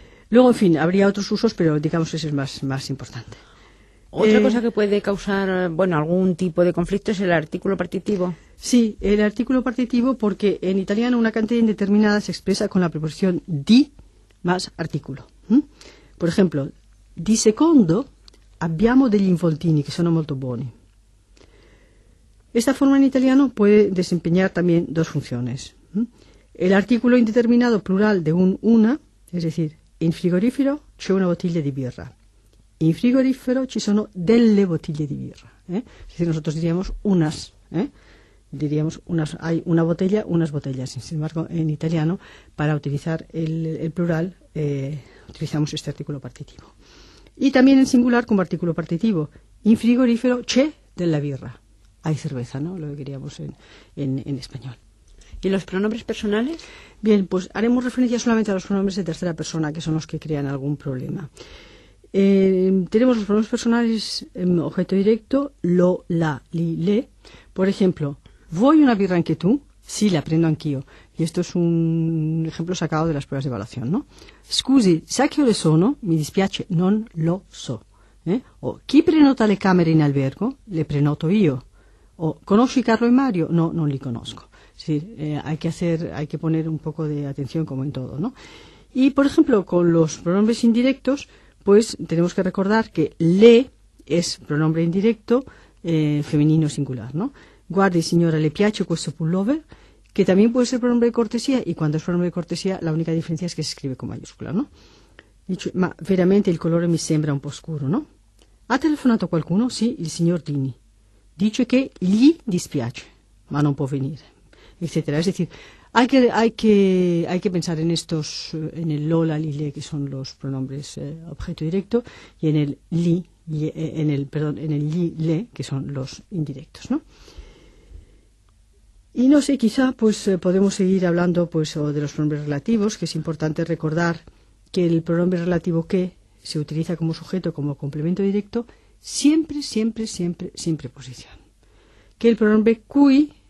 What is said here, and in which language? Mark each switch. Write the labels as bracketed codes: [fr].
[es] Luego, en fin, habría otros usos, pero digamos que ese es más importante. Otra cosa que puede causar, bueno, algún tipo de conflicto es el artículo partitivo. Sí, el artículo partitivo, porque en italiano una cantidad indeterminada se expresa con la preposición di más artículo. Por ejemplo, [it] di secondo abbiamo degli involtini che sono molto buoni. [es] Esta forma en italiano puede desempeñar también dos funciones. El artículo indeterminado plural de una, es decir, [it] in frigorifero c'è una bottiglia di birra. In frigorifero ci sono delle bottiglie di birra. [es] Es decir, nosotros diríamos unas. Diríamos unas, hay una botella, unas botellas. Sin embargo, en italiano, para utilizar el plural, utilizamos este artículo partitivo. Y también en singular como artículo partitivo. [it] In frigorifero c'è della birra. [es] Hay cerveza, ¿no? Lo que queríamos en español. ¿Y los pronombres personales? Bien, pues haremos referencia solamente a los pronombres de tercera persona, que son los que crean algún problema. Tenemos los pronombres personales en objeto directo, lo, la, li, le. Por ejemplo, [it] ¿voy una birra anche tú? Sí, la prendo anch'io. [es] Y esto es un ejemplo sacado de las pruebas de evaluación, ¿no? [it] Scusi, ¿sa che ore sono? Mi dispiace, non lo so. O, ¿chi prenota le camere in albergo? Le prenoto io. O, ¿conosci Carlo y Mario? No, no li conozco. [es] Sí, hay que poner un poco de atención, como en todo, ¿no? Y, por ejemplo, con los pronombres indirectos, pues tenemos que recordar que le es pronombre indirecto femenino singular, ¿no? [it] Guardi, signora, le piace questo pullover, [es] que también puede ser pronombre de cortesía, y cuando es pronombre de cortesía, la única diferencia es que se escribe con mayúscula, ¿no? [it] Dicho, ma veramente el color mi sembra un po' scuro, ¿no? ¿Ha telefonato qualcuno? [es] Sí, el señor Dini. Dice que [it] gli dispiace, ma non può venire, etcétera. [es] Es decir, hay que pensar en estos, en el lo, la, li, le, que son los pronombres objeto directo, y en el li, en el li, le, que son los indirectos, ¿no? Y no sé, quizá pues podemos seguir hablando pues de los pronombres relativos, que es importante recordar que el pronombre relativo que se utiliza como sujeto, como complemento directo, siempre, siempre, siempre, sin preposición. Que el pronombre cui